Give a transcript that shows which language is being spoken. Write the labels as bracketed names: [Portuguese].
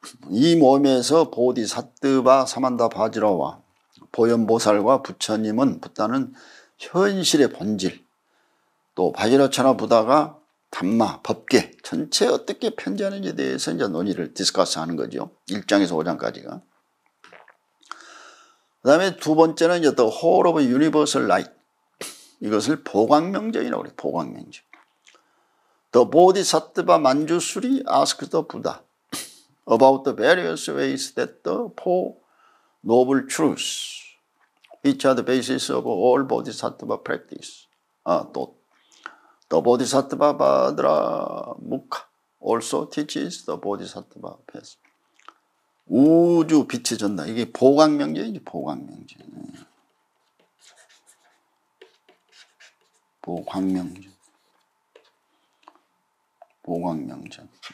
[Korean] 이 몸에서 보디사뜨바 사만다 바지라와 보현보살과 부처님은 부다는 현실의 본질, 또 바지라차나 부다가 담마, 법계, 전체 어떻게 편지하는지에 대해서 이제 논의를 디스커스 하는 거죠. 1장에서 5장까지가. 그 다음에 두 번째는 이제 The Hall of Universal Light. 이것을 보광명전이라고 그래요. 보광명전. [English] The Bodhisattva Manjusri asked the Buddha about the various ways that the four noble truths, which are the basis of all Bodhisattva practice, The Bodhisattva Bhadra Mukha also teaches the Bodhisattva path. [Korean] 우주 빛이 전달. 이게 보광명전이지, 보광명전. 보광명전. 보광명전.